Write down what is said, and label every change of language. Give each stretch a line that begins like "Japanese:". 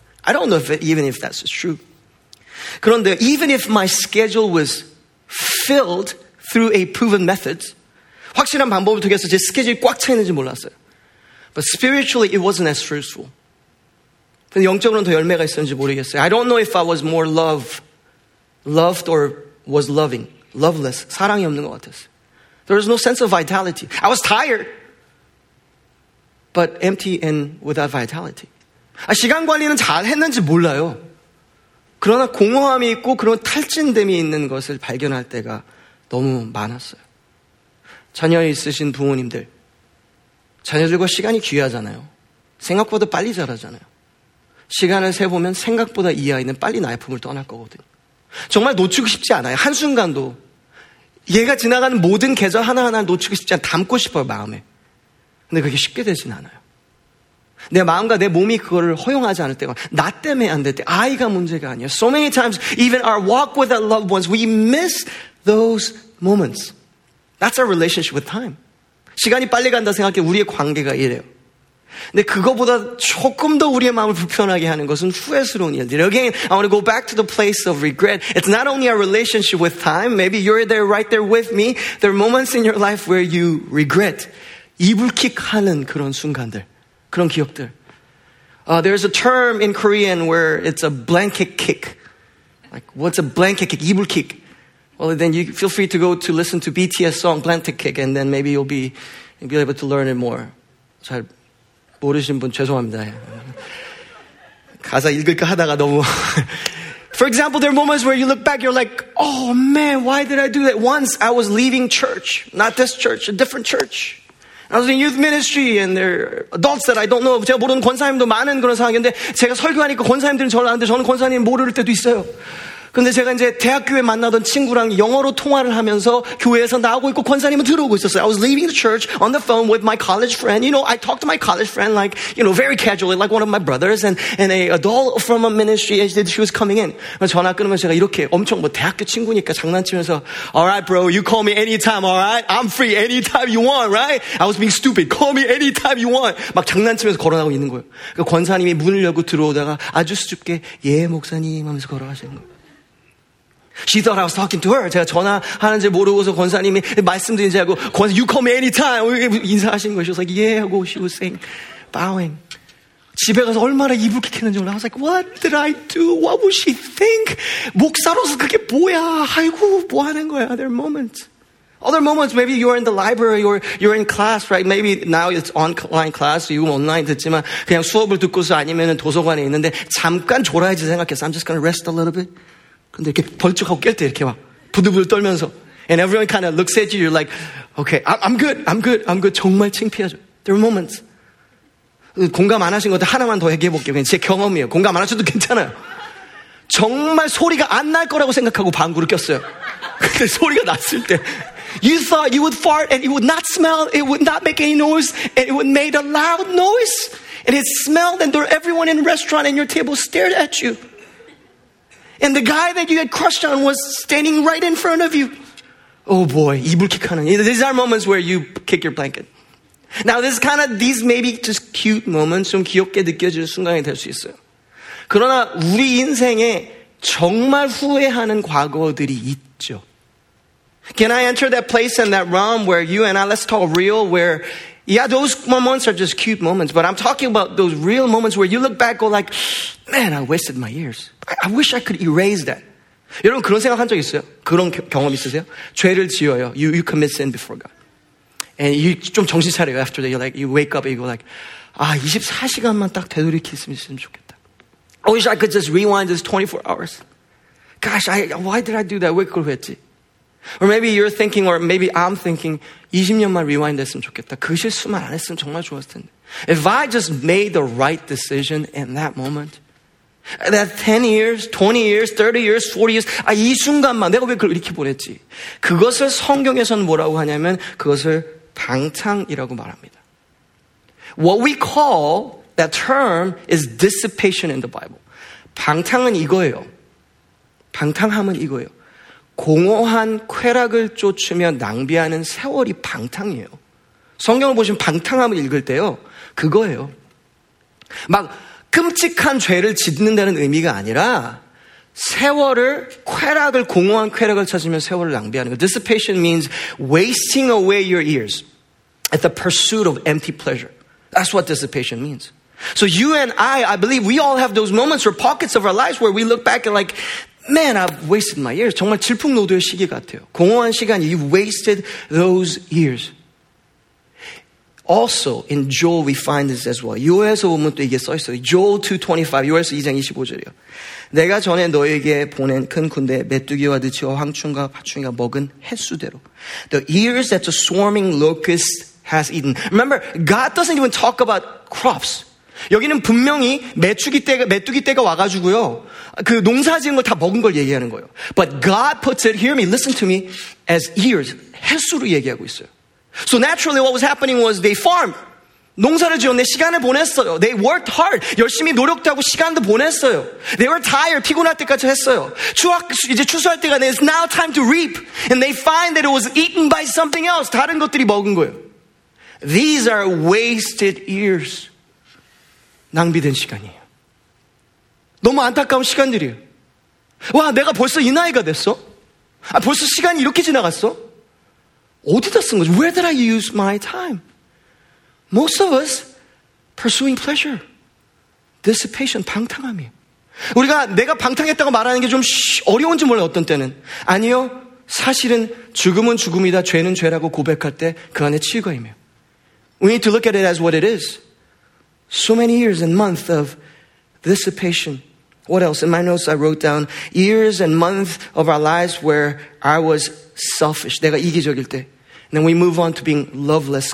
English: I don't know even if that's true.
Korean: 그런데
English: even if my schedule was filled through a proven method,
Korean: 확실한 방법을 통해서 제 스케줄이 꽉 차 있는지 몰랐어요.
English: But spiritually, it wasn't as fruitful.
Korean: 근데 영적으로는 더 열매가 있었는지 모르겠어요.
English: I don't know if I was more loved or was loving, loveless.
Korean: 사랑이 없는 것 같았어요.
English: There was no sense of vitality. I was tired, but empty and without vitality.
Korean: 아, 시간 관리는 잘 했는지 몰라요. 그러나 공허함이 있고 그런 탈진됨이 있는 것을 발견할 때가 너무 많았어요. 자녀 있으신 부모님들, 자녀들과 시간이 귀하잖아요. 생각보다 빨리 자라잖아요. 시간을 세보면 생각보다 이 아이는 빨리 나의 품을 떠날 거거든요. 정말 놓치고 싶지 않아요. 한순간도. 얘가 지나가는 모든 계절 하나하나를 놓치고 싶지 않아요. 담고 싶어요, 마음에. 근데 그게 쉽게 되진 않아요. 내 마음과 내 몸이 그거를 허용하지 않을 때가 나 때문에 안 될 때 아이가 문제가 아니야.
English: So many times, even our walk with our loved ones, we miss those moments. That's our relationship with time.
Korean: 시간이 빨리 간다 생각해 우리의 관계가 이래요. 근데 그거보다 조금 더 우리의 마음을 불편하게 하는 것은 후회스러운 일들.
English: Again, I want to go back to the place of regret. It's not only our relationship with time. Maybe you're there right there with me. There are moments in your life where you regret.
Korean: 이불킥 하는 그런 순간들, 그런 기억들.
English: There's a term in Korean where it's a blanket kick. Like, what's a blanket kick?
Korean: 이불킥.
English: Well, then you feel free to go to listen to BTS song Blanket Kick, and then maybe you'll be able to learn it more.
Korean: 잘 모르신 분 죄송합니다. 가사 읽을까 하다가 너무.
English: For example, there are moments where you look back, you're like, oh man, why did I do that? Once I was leaving church, not this church, a different church. I was in youth ministry and there are adults that I don't know.
Korean: 제가 모르는 권사님도 많은 그런 상황인데 제가 설교하니까 권사님들은 저를 아는데 저는 권사님 모를 때도 있어요. 근데 제가 이제 대학교에 만나던 친구랑 영어로 통화를 하면서 교회에서 나오고 있고 권사님은 들어오고 있었어요.
English: I was leaving the church on the phone with my college friend. You know, I talked to my college friend like, you know, very casually, like one of my brothers and a adult from a ministry and she was coming in.
Korean: 전화 끊으면 제가 이렇게 엄청 뭐 대학교 친구니까 장난치면서
English: All right, bro, you call me anytime, all right? I'm free anytime you want, right? I was being stupid. Call me anytime you want.
Korean: 막 장난치면서 걸어가고 있는 거예요. 그러니까 권사님이 문을 열고 들어오다가 아주 수줍게 예, 목사님 하면서 걸어가시는 거예요.
English: She thought I was talking to her.
Korean: 제가 전화하는지 모르고서 권사님이 말씀드린 줄 알고 권사님,
English: You call me anytime.
Korean: 인사하신 거예요.
English: She was like, yeah.
Korean: 하고
English: she was saying, bowing.
Korean: 집에 가서 얼마나 이불킥 했는지 몰라.
English: I was like, what did I do? What would she think?
Korean: 목사로서 그게 뭐야? 아이고, 뭐 하는 거야?
English: Other moments. Other moments, maybe you're in the library or you're in class, right? Maybe now it's online class. You online
Korean: 듣지만 그냥 수업을 듣고서 아니면 도서관에 있는데 잠깐 졸아야지 생각해서
English: I'm just going to rest a little bit.
Korean: 근데 이렇게 벌쩍하고 깰 때 이렇게 막 부들부들 떨면서
English: and everyone kind of looks at you you're like okay I'm good
Korean: 정말 창피하죠.
English: There are moments.
Korean: 공감 안 하신 것도 하나만 더 얘기해 볼게요. 그냥 제 경험이에요. 공감 안 하셔도 괜찮아요. 정말 소리가 안 날 거라고 생각하고 방구를 꼈어요. 근데 소리가 났을 때
English: you thought you would fart and it would not smell it would not make any noise and it would make a loud noise and it smelled and there everyone in the restaurant and your table stared at you. And the guy that you had crushed on was standing right in front of you. Oh boy,
Korean: 이불킥 하는.
English: These are moments where you kick your blanket. Now this is kind of, these may be just cute moments,
Korean: 좀 귀엽게 느껴지는 순간이 될 수 있어요. 그러나 우리 인생에 정말 후회하는 과거들이 있죠.
English: Can I enter that place and that realm where you and I, let's talk real, where yeah, those moments are just cute moments, but I'm talking about those real moments where you look back and go like, man, I wasted my years. I wish I could erase that.
Korean: 여러분, 그런 생각 한 적 있어요? 그런 경험 있으세요? 죄를 지어요.
English: You commit sin before God. And you
Korean: 좀 정신 차려요.
English: After that, you're like, you wake up and you go like,
Korean: 아, 24시간만 딱 되돌이켰으면 좋겠다.
English: I wish I could just rewind this 24 hours. Gosh, why did I do that?
Korean: 왜 그걸 했지?
English: Or maybe you're thinking, or maybe I'm thinking,
Korean: 20년만 rewind 했으면 좋겠다. 그 실수만 안 했으면 정말 좋았을 텐데.
English: If I just made the right decision in that moment, that 10 years, 20 years, 30 years, 40 years,
Korean: 아, 이 순간만 내가 왜 그걸 이렇게 보냈지? 그것을 성경에서는 뭐라고 하냐면, 그것을 방탕이라고 말합니다.
English: What we call that term is dissipation in the Bible.
Korean: 방탕은 이거예요. 방탕함은 이거예요. 공허한 쾌락을 쫓으며 낭비하는 세월이 방탕이에요. 성경을 보시면 방탕함을 읽을 때요. 그거예요. 막 끔찍한 죄를 짓는다는 의미가 아니라 세월을 쾌락을 공허한 쾌락을 찾으며 세월을 낭비하는 거.
English: Dissipation means wasting away your years at the pursuit of empty pleasure. That's what dissipation means. So you and I believe we all have those moments or pockets of our lives where we look back and like Man, I've wasted my years.
Korean: 정말 질풍노도의 시기 같아요. 공허한 시간이.
English: You've wasted those years. Also, in Joel, we find this as well.
Korean: 요에서 보면 또 이게 써 있어요. Joel 2:25, 요에서 2장 25절이요. 내가 전에 너에게 보낸 큰 군대, 메뚜기와 들치와 황충과 파충이가 먹은 횟수대로.
English: The years that the swarming locust has eaten. Remember, God doesn't even talk about crops.
Korean: 여기는 분명히 메뚜기 떼가 와가지고요. 그 농사 지은 걸 다 먹은 걸 얘기하는 거예요.
English: But God puts it, hear me, listen to me, as ears,
Korean: 횟수로 얘기하고 있어요.
English: So naturally what was happening was they farmed.
Korean: 농사를 지었네, 시간을 보냈어요.
English: They worked hard.
Korean: 열심히 노력도 하고 시간도 보냈어요.
English: They were tired,
Korean: 피곤할 때까지 했어요. 이제 추수할 때가 돼,
English: it's now time to reap. And they find that it was eaten by something else.
Korean: 다른 것들이 먹은 거예요.
English: These are wasted ears.
Korean: 낭비된 시간이에요. 너무 안타까운 시간들이에요. 와, 내가 벌써 이 나이가 됐어? 아, 벌써 시간이 이렇게 지나갔어? 어디다 쓴 거지?
English: Where did I use my time? Most of us pursuing pleasure.
Korean: Dissipation, 방탕함이에요. 우리가 내가 방탕했다고 말하는 게 좀 어려운지 몰라요, 어떤 때는. 아니요, 사실은 죽음은 죽음이다, 죄는 죄라고 고백할 때 그 안에 치유가 임해요.
English: We need to look at it as what it is. So many years and months of dissipation. What else? In my notes I wrote down years and months of our lives where I was selfish.
Korean: 내가 이기적일 때.
English: And then we move on to being loveless.